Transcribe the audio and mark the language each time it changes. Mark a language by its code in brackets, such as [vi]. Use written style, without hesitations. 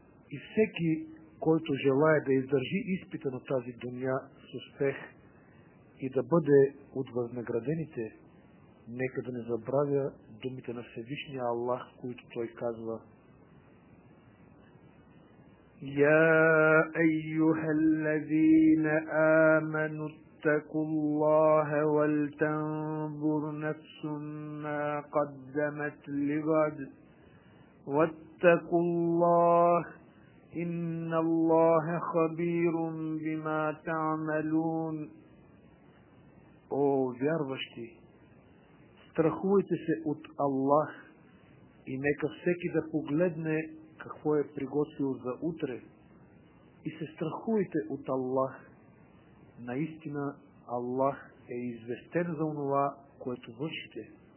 [bg] И всеки, който желае да издържи изпита на тази дуня с успех и да бъде от възнаградените, нека да не забравя думите на Всевишния Аллах, които той казва: [ar] Я айюха аллазина аману اتقوا الله ولتنظر نفس ما قدمت لغد واتقوا الله إن الله خبير بما تعملون. [bg] О, вярващи, страхувайте се от Аллах и нека всеки да погледне какво е приготвил за утре и се страхувайте от Аллах. Наистина Аллах е известен за онова, което вършите.